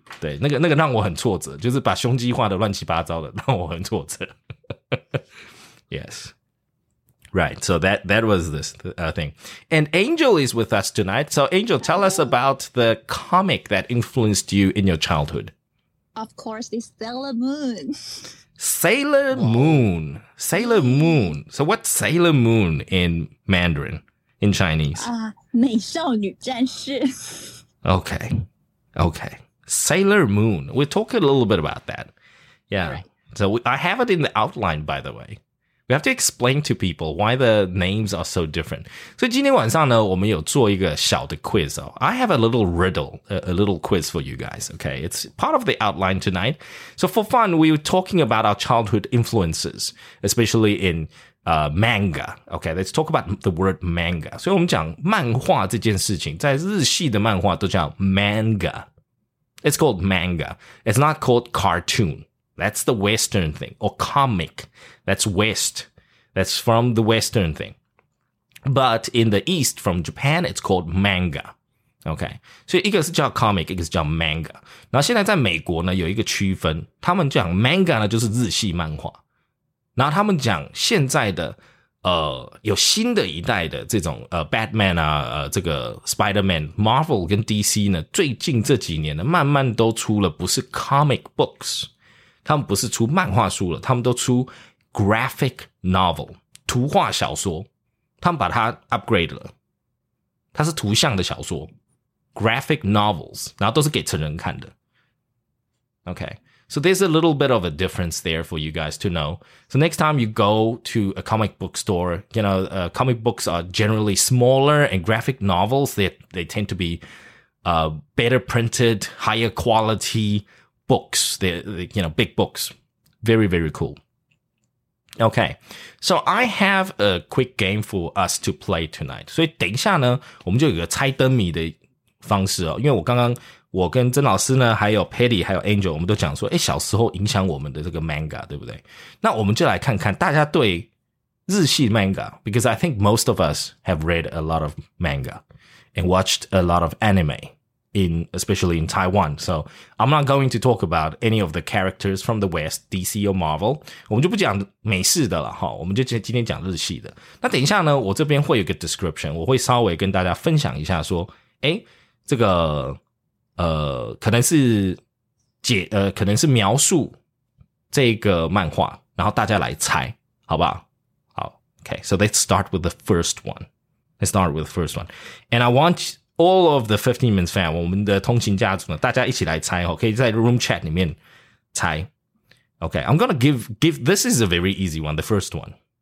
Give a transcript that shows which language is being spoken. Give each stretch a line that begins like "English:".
Chinese: 对，那个让我很挫折，就是把胸肌画的乱七八糟的，让我很挫折。
English: Yes. Right. So that was this thing. And Angel is with us tonight. So Angel, tell us about the comic that influenced you in your childhood. Of course, it's Sailor Moon. Sailor Moon. Sailor Moon. So what's Sailor Moon in Mandarin? In Chinese?
Chinese: 美少女战士.
English: Okay. Okay. Sailor Moon. We'll talk a little bit about that. Yeah. Right. So I have it in the outline, by the way. We have to explain to people why the names are so different.
Chinese: So 今天晚上呢，我们有做一个小的 quiz 哦。
English: I have a little riddle, a little quiz for you guys, okay? It's part of the outline tonight. So for fun, we were talking about our childhood influences, especially in manga. Okay, let's talk about the word manga.
Chinese: 所以我们讲漫画这件事情，在日系的漫画都叫 manga.
English: It's called manga. It's not called cartoon. That's the Western thing. Or comic. That's from the Western thing. But in the East, from Japan, it's called manga. Okay.
Chinese: 所以一个是叫 comic, 一个是叫 manga. 然后现在在美国呢，有一个区分，他们讲 manga 呢，就是日系漫画。然后他们讲现在的有新的一代的这种Batman 啊这个 Spider-Man, Marvel 跟 DC 呢，最近这几年呢慢慢都出了不是 comic books, 他们不是出漫画书了，他们都出 graphic novel, 图画小说，他们把它 upgrade 了，它是图像的小说 graphic novels, 然后都是给成人看的。
English: Okay. So there's a little bit of a difference there for you guys to know. So next time you go to a comic book store, you know, comic books are generally smaller, and graphic novels, they tend to be better printed, higher quality books. They're, you know, big books. Very, very cool. Okay, so I have a quick game for us to play tonight.
Chinese: 所以等一下呢，我们就有个猜灯谜的方式哦，因为我刚刚我跟曾老师呢，还有 Patty， 还有 Angel， 我们都讲说，哎，小时候影响我们的这个 manga， 对不对？那我们就来看看大家对日系
English: manga， because I think most of us have read a lot of manga and watched a lot of anime, especially in Taiwan. So I'm not going to talk about any of the characters from the West, DC or Marvel.
Chinese: 我们就不讲美式的了哈，我们就今天讲日系的。那等一下呢，我这边会有个 description， 我会稍微跟大家分享一下说，哎，这个。可能是解可能是描述这个漫画，然后大家来猜，好不好？
English: 好 ，Okay. So let's start with the first one. Let's start with the first one. And I want all of the 15 Minutes fan,
Chinese: 我们的通勤家族呢，大家一起来猜哦，可以在 room chat 里面猜。
English: Okay, I'm gonna give this is a very easy one, the first one.